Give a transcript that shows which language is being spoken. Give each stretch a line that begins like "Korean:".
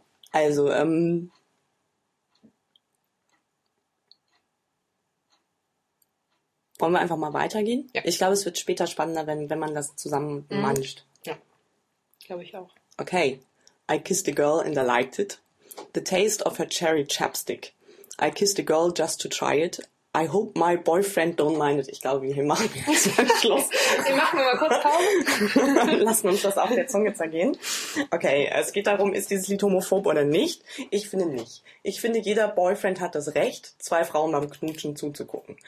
German: Also, wollen wir einfach mal weitergehen? Ja. Ich glaube, es wird später spannender, wenn man das zusammen mancht. Ja, glaube ich auch. Okay.
English: I kissed a girl and I liked it. The taste of her cherry chapstick. I kissed a girl just to try it. I hope my boyfriend don't mind it.
German: Ich glaube, wir machen jetzt mal Schluss. Wir machen mal kurz Pause. Lassen uns das auf der Zunge zergehen. Okay, es geht darum, ist dieses Lied homophob oder nicht? Ich finde nicht. Ich finde, jeder Boyfriend hat das Recht, zwei Frauen beim Knutschen zuzugucken.